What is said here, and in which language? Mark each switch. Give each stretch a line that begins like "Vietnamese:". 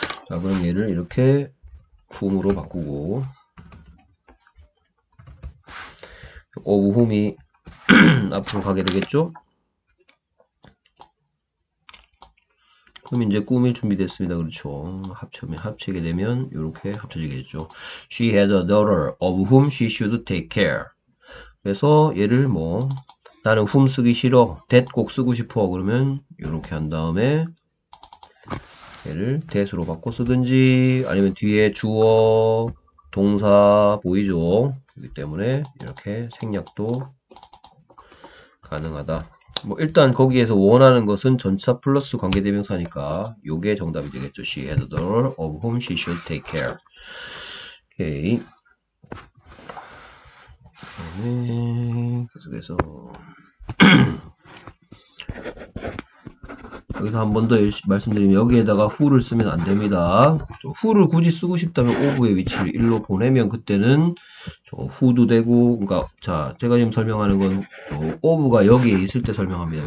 Korean: 자, 그럼 얘를 이렇게 whom으로 바꾸고, of whom이 앞으로 가게 되겠죠? 그럼 이제 꾸밀 준비됐습니다. 그렇죠. 합치게 되면 이렇게 합쳐지겠죠.
English: She has a daughter of whom she should take care.
Korean: 그래서 얘를 뭐 나는 whom 쓰기 싫어. that 꼭 쓰고 싶어. 그러면 이렇게 한 다음에 얘를 that으로 바꿔 쓰든지 아니면 뒤에 주어, 동사 보이죠? 그렇기 때문에 이렇게 생략도 가능하다. 뭐 일단 거기에서 원하는 것은 전치사 플러스 관계대명사니까 요게 정답이 되겠죠.
English: She had a daughter of whom she should take care.
Korean: 오케이. 그다음에 계속해서 여기서 한번더 말씀드리면 여기에다가 who를 쓰면 안 됩니다. who를 굳이 쓰고 싶다면 of의 위치를 1로 보내면 그때는 who도 되고 그러니까 자 제가 지금 설명하는 건 of가 여기에 있을 때 설명합니다.